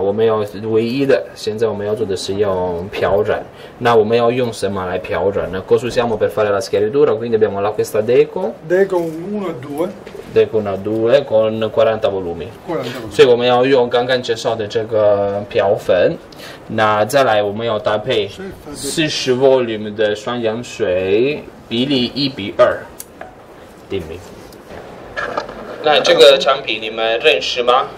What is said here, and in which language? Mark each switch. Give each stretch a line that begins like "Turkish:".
Chinese: 我们要唯一的，现在我们要做的是要漂染。那我们要用什么来漂染呢？
Italian: Cosa usiamo per fare la schiaritura? Quindi abbiamo la questa deco. Deco 1 e 2. Deco 1 e 2 con 40 volumi. 40.
Chinese: 所以我们要用刚刚介绍的这个漂粉。那再来，我们要搭配40 volume 的双氧水，比例1:2。定名。那这个产品你们认识吗？